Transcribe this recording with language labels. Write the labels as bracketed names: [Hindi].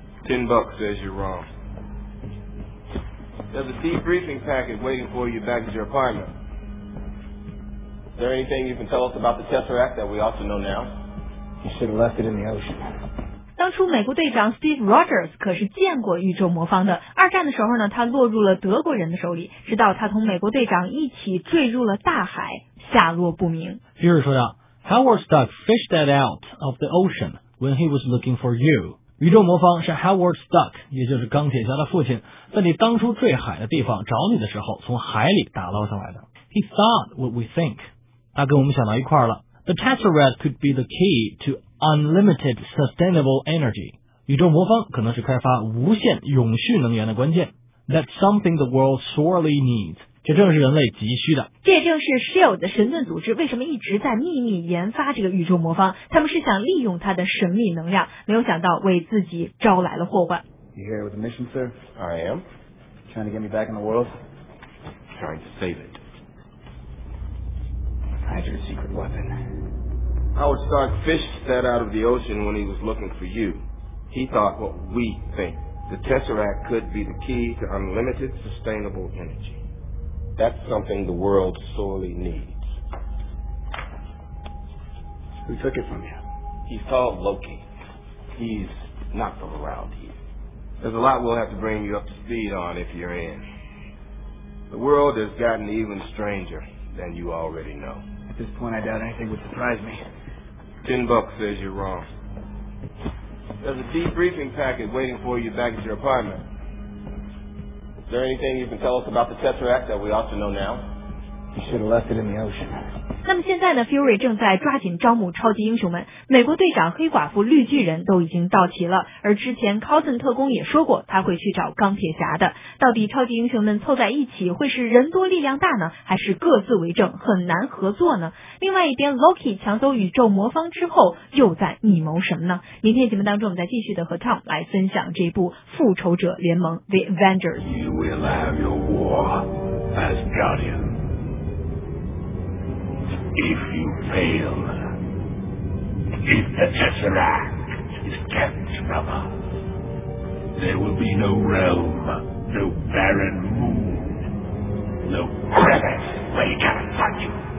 [English] $10 says you're wrong. There's a debriefing packet waiting for you back at your apartment. Is there anything you can tell us about the Tesseract that we ought to know now? You should have left it in the ocean. [Chinese] 当初美国队长 Steve Rogers 可是见过宇宙魔方的。二战的时候呢，他落入了德国人的手里，直到他同美国队长一起坠入了大海，下落不明。比如说道 [English] Howard Stark fished that out of the ocean when he was looking for you. [Chinese] 宇宙魔方是 Howard Stark, 也就是钢铁侠的父亲在你当初坠海的地方找你的时候从海里打捞上来的。 [English] He thought what we think. [Chinese] 他跟我们想到一块了。 [English] The Tesseract could be the key to unlimited sustainable energy. [Chinese] 宇宙魔方可能是开发无限永续能源的关键。 [English] That's something the world sorely needs. [Chinese] 这正是人类急需的。这也正是 S.H.I.E.L.D. 的神盾组织为什么一直在秘密研发这个宇宙魔方他们是想利用它的神秘能量没有想到为自己招来了祸患 [English] You here with a mission, sir? I am Trying to get me back in the world? Trying to save it Hide your secret weapon Howard Stark fished that out of the ocean when he was looking for you He thought what we think. The Tesseract could be the key to unlimited sustainable energy. That's something the world sorely needs. Who took it from you? He's called Loki. He's not from around here. There's a lot we'll have to bring you up to speed on if you're in. The world has gotten even stranger than you already know. At this point, I doubt anything would surprise me. $10 says you're wrong. There's a debriefing packet waiting for you back at your apartment. Is there anything you can tell us about the Tesseract that we ought to know now? You should have left it in the ocean. [Chinese] 那么现在呢 ,Fury 正在抓紧招募超级英雄们。美国队长、黑寡妇、绿巨人都已经到齐了。而之前 Coulson 特工也说过他会去找钢铁侠的。到底超级英雄们凑在一起会是人多力量大呢还是各自为政很难合作呢另外一边 ,Loki 抢走宇宙魔方之后又在密谋什么呢明天节目当中我们再继续的和 Tom 来分享这部复仇者联盟 The Avengers。 [English] You will have your war as Guardian. If you fail, if the Tesseract is kept from us, there will be no realm, no barren moon, no crevice where you can't find you.